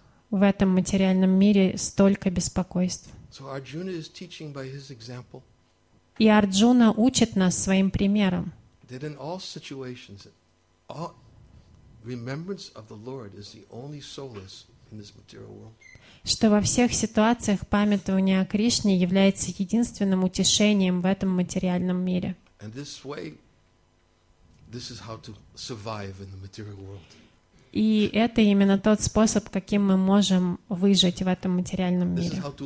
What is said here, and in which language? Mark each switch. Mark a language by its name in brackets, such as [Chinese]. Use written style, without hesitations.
[Russian] В этом материальном мире столько беспокойств. [English] So Arjuna is teaching by his example. [Russian] И Арджуна учит нас своим примером. [English] That in all situations, all remembrance of the Lord is the only solace in this material world. [Russian] Что во всех ситуациях памятование о Кришне является единственным утешением в этом материальном мире. [English] And this way, this is how to survive in the material world. [Russian] И это именно тот способ, каким мы можем выжить в этом материальном мире.